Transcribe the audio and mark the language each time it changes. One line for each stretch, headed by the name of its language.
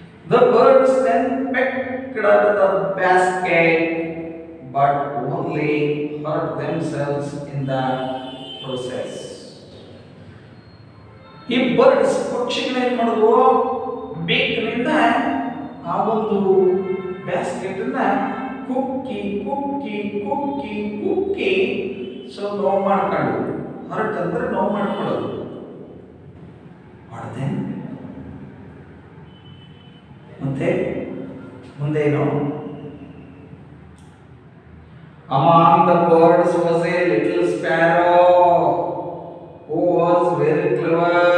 English: The birds then pecked at the basket, but only hurt themselves in the process.
Kannada: ಈ birds ಪಕ್ಷಿಗಳು ಏನ್ ಮಾಡುದು, ಬೇಕಿನಿಂದ ಆ ಒಂದು ಬ್ಯಾಸ್ಕೆಟ್ ಅನ್ನ ಕುಕ್ಕಿ ಕುಕ್ಕಿ ಕುಕ್ಕಿ ಕುಕ್ಕಿ ಸ್ವಲ್ಪ ನೋವು ಮಾಡ್ಕೊಂಡು ಹೊರಟಂದ್ರೆ ನೋವು ಮಾಡ್ಕೊಳ್ಳೋದು ಮಾಡದೆ ಮತ್ತೆ ಮುಂದೇನು?
English: Among the birds was a little sparrow who was very clever.